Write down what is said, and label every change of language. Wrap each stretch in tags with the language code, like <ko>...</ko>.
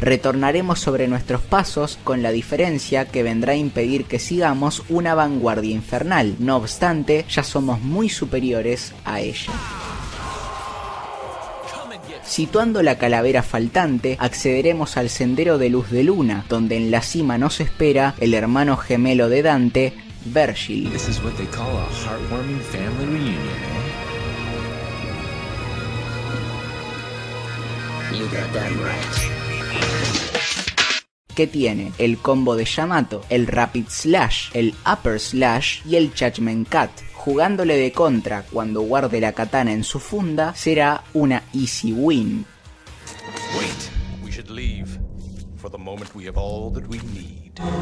<es>Retornaremos sobre nuestros pasos, con la diferencia que vendrá a impedir que sigamos una vanguardia infernal. No obstante, ya somos muy superiores a ella. Situando la calavera faltante, accederemos al sendero de luz de luna, donde en la cima nos espera el hermano gemelo de Dante, Vergil.</es> <en>This is what they call a heartwarming family reunion, eh? You got that right.</en> <es>¿Qué tiene? El combo de Yamato, el Rapid Slash, el Upper Slash y el Judgment Cut. Jugándole de contra cuando guarde la katana en su funda, será una</es> <en>easy win. Wait, we should leave. For the moment we have all that we need.</en>